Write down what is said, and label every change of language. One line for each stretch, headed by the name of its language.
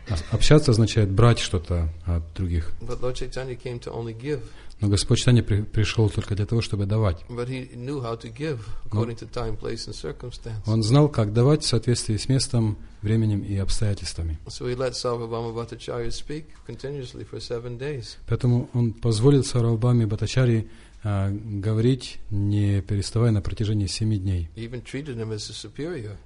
Russian: Общаться означает брать что-то от других.
English: But Lord Chaitanya came to only give.
Russian: Но Господь Чайтанья пришел только для того, чтобы давать.
English: But he knew how to give according to time, place and circumstance.
Russian: Он знал, как давать в соответствии с местом, временем и обстоятельствами.
English: So he let Sarvabhauma Bhattacharya speak continuously for 7 days.
Russian: Поэтому он позволил Сарвабхауме Бхаттачарьи говорить, не переставая на протяжении 7 дней.
English: He even treated him as a superior.